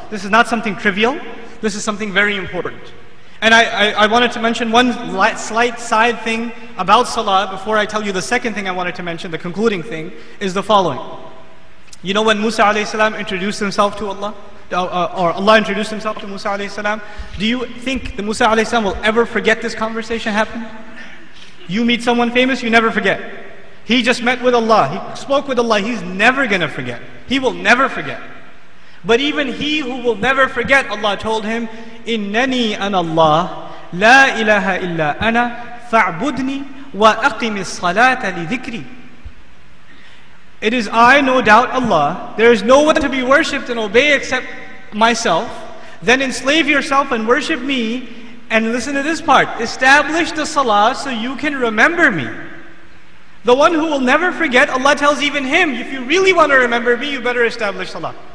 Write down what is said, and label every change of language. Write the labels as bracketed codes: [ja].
[en] This is not something trivial. This is something very important. And I wanted to mention one slight side thing about salah before I tell you the second thing I wanted to mention, the concluding thing, is the following. You know when Musa alayhi salam introduced himself to Allah? or Allah introduced himself to Musa alayhi salam, do you think that Musa alayhi salam will ever forget this conversation happened? You meet someone famous, you never forget. He just met with Allah, he spoke with Allah, he's never gonna forget. He will never forget. But even he who will never forget, Allah told him, [ar] إِنَّنِي أَنَ اللَّهِ لَا إِلَهَ إِلَّا أَنَا فَاعْبُدْنِي وَأَقِمِ الصَّلَاةَ لِذِكْرِي. [en] It is I, no doubt, Allah. There is no one to be worshipped and obeyed except myself. Then enslave yourself and worship me. And listen to this part. Establish the salah so you can remember me. The one who will never forget, Allah tells even him, if you really want to remember me, you better establish salah.